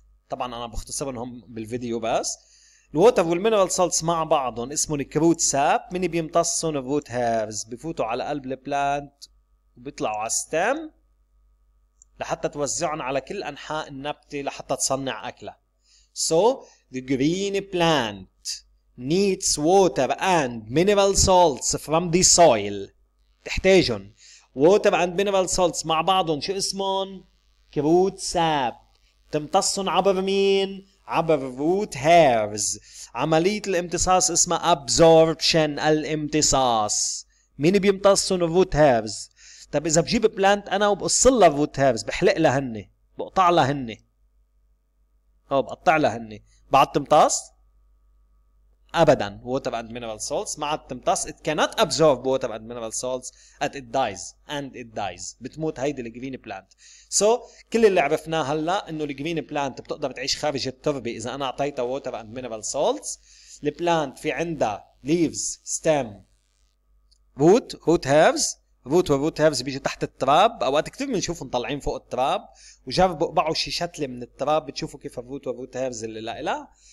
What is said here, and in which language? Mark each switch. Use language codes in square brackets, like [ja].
[ar] طبعاً أنا بختصرهم بالفيديو بس. الووتر والمينرال سولتس مع بعضهم اسمهم كروت ساب. مين بيمتصهم؟ الروت هيرز، بفوتوا على قلب البلانت وبيطلعوا على الستام لحتى توزعهم على كل انحاء النبته لحتى تصنع اكله. [en] So the green plant needs water and mineral salts from the soil. [ar] تحتاجهم [en] water and mineral salts [ar] مع بعضهم، شو اسمهم؟ كروت ساب. تمتصهم عبر مين؟ عبر root hairs. عملية الامتصاص اسمها absorption، الامتصاص. مين بيمتصهم؟ root hairs. طب إذا بجيب بلانت أنا وبقصل له root hairs، بحلق له هني، بقطع له هني، أو بقطع له هني، بعد تمتص؟ أبدا. [en] water and mineral salts [ar] ما عاد تمتص. [en] It cannot absorb water and mineral salts and it dies. [ar] بتموت هيدي الجرين بلانت. So كل اللي عرفناه هلا إنه الجرين بلانت بتقدر تعيش خارج التربة إذا أنا أعطيتها [en] water and mineral salts. [ar] البلانت في عندها leaves، stem، root، root hairs. root و root hairs بيجي تحت التراب، أوقات كتير بنشوفهم طالعين فوق التراب، وجربوا اقبعوا شي شتلة من التراب بتشوفوا كيف الروت و root hairs اللي لاقي لها.